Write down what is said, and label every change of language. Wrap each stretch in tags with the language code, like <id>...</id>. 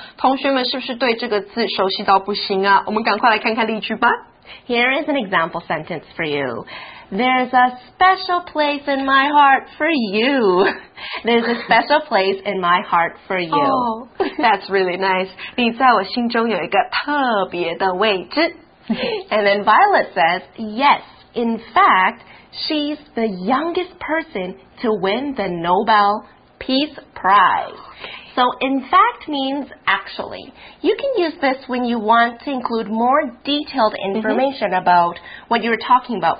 <zh>同学们是不是对这个字熟悉到不行啊？我们赶快来看看例句吧。</zh> <en>Here is an example sentence for you. There's a special place in my heart for you. There's a special place in my heart for you. That's really nice.</en> <zh>你在我心中有一个特别的位置。</zh> <en>And then Violet says, yesIn fact, she's the youngest person to win the Nobel Peace Prize. So, in fact means actually. You can use this when you want to include more detailed information about what you're talking about.</en>